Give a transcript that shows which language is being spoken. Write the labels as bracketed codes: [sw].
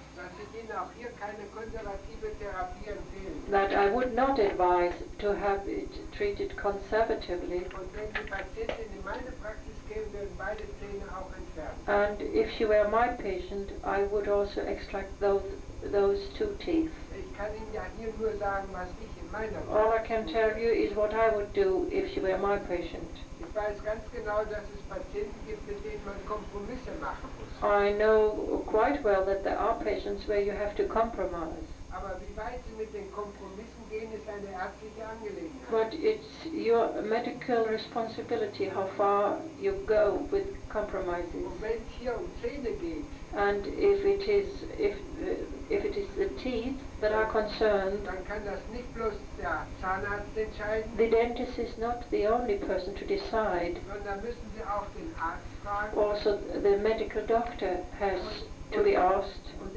[de] Dass ich Ihnen auch hier keine konservative Therapie empfehlen. [en] That I would not advise to have it treated conservatively. [de] Und wenn die Patientin in meine Praxis käme, würden beide Zähne auch entfernt. [en] And if she were my patient, I would also extract those two teeth. [de] Ich kann Ihnen ja hier nur sagen, was ich in meiner Praxis. [en] All I can tell you is what I would do if she were my patient. [de] Ich weiß ganz genau, dass es Patienten gibt, mit denen man Kompromisse machen muss. [en] I know quite well that there are patients where you have to compromise. [de] Aber wie weit Sie mit den Kompromissen gehen, ist eine ärztliche Angelegenheit. [en] But it's your medical responsibility how far you go with compromises. [de] Und wenn es hier um Zähne geht. [en] And if it is the teeth that are concerned, [de] dann kann das nicht bloß der Zahnarzt entscheiden. [en] The dentist is not the only person to decide. [de] Und dann müssen Sie auch den Arzt. [en] Also, the medical doctor has to be asked.